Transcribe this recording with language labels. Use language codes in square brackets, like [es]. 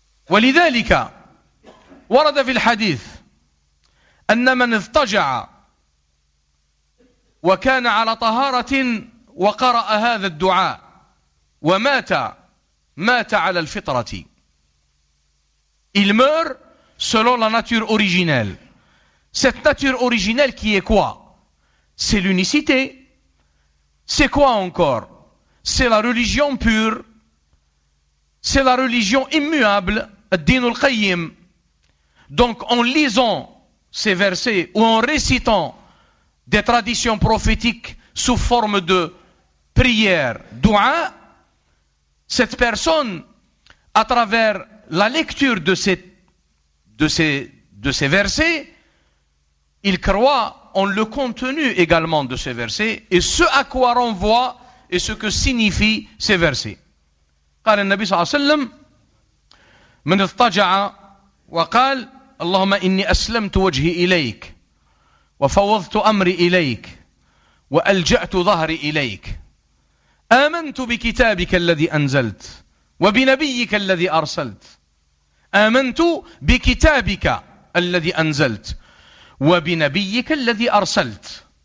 [ar] ولذلك ورد في الحديث أن من اضطجع وكان على طهارة وقرأ هذا الدعاء ومات، مات على الفطرة. [fr] Il meurt selon la nature originelle. Cette nature originelle qui est quoi? C'est l'unicité. C'est quoi encore? C'est la religion pure. C'est la religion immuable. [ar] الدين القيم. [fr] Donc en lisant ces versets ou en récitant des traditions prophétiques sous forme de prière, dua, cette personne, à travers la lecture de ces versets, il croit en le contenu également de ces versets et ce à quoi renvoie et ce que signifient ces versets. [ar] قال النبي صلى الله عليه وسلم من اضطجع وقال اللهم إني أسلمت وجهي إليك وفوضت أمري إليك وألجأت ظهري إليك آمنت بكتابك الذي أنزلت وبنبيك الذي أرسلت آمنت بكتابك الذي أنزلت وبنبيك الذي أرسلت.